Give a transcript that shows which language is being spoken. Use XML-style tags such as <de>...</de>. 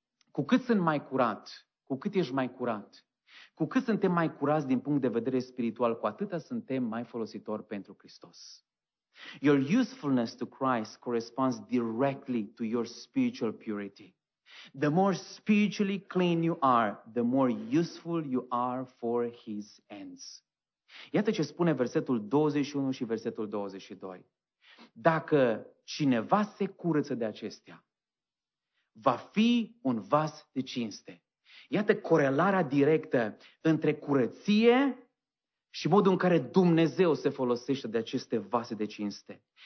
<ro>Cu cât sunt mai curat, cu cât ești mai curat, cu cât suntem mai curați din punct de vedere spiritual, cu atâta suntem mai folositori pentru Hristos.</ro> <en>Your usefulness to Christ corresponds directly to your spiritual purity. The more spiritually clean you are, the more useful you are for His ends.</en> <ro>Iată ce spune versetul 21 și versetul 22. Dacă cineva se curăță de acestea, va fi un vas de cinste. Iată corelarea directă între curăție și modul în care Dumnezeu se folosește de aceste vase de cinste.</ro>